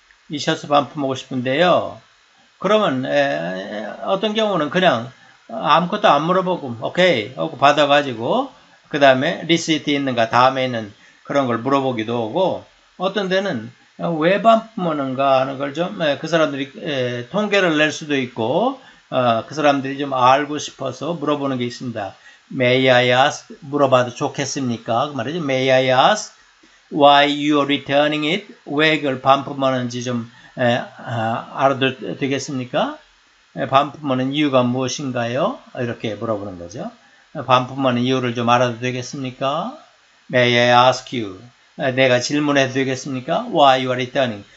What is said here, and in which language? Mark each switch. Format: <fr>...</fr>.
<ko>이셔츠 반품 하고 싶은데요. 그러면 어떤 경우는 그냥 아무것도 안 물어보고 오케이 하고 받아가지고 그 다음에 리시트 있는가 다음에 있는 그런 걸 물어보기도 하고, 어떤 데는 왜 반품하는가 하는 걸좀그 사람들이 통계를 낼 수도 있고, 그 사람들이 좀 알고 싶어서 물어보는 게 있습니다.</ko> <en>May I ask,</en> <ko>물어봐도 좋겠습니까? 그 말이죠.</ko> <en>May I ask why you are returning it?</en> <ko>왜 이걸 반품하는지 좀 알아도 되겠습니까? 반품하는 이유가 무엇인가요? 이렇게 물어보는 거죠. 반품하는 이유를 좀 알아도 되겠습니까?</ko> <en>May I ask you?</en> <ko>내가 질문해도 되겠습니까?</ko> <en>Why you are returning?</en>